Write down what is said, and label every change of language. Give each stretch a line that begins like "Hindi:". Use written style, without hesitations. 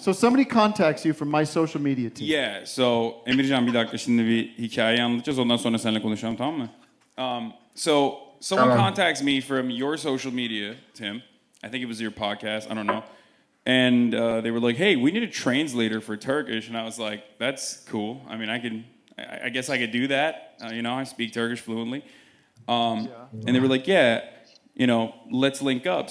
English: So somebody contacts you from my social media team. Yeah, so
Turkish: Emircan bir dakika şimdi bir hikaye anlatacağız ondan sonra seninle konuşalım tamam mı?
English: So someone contacts me from your social media, Tim. I think it was your podcast, I don't know. And they were like, hey, we need a translator for Turkish. And I was like, that's cool. I mean, I guess I could do that. You know, I speak Turkish fluently. And they were like, yeah, you know, let's link up.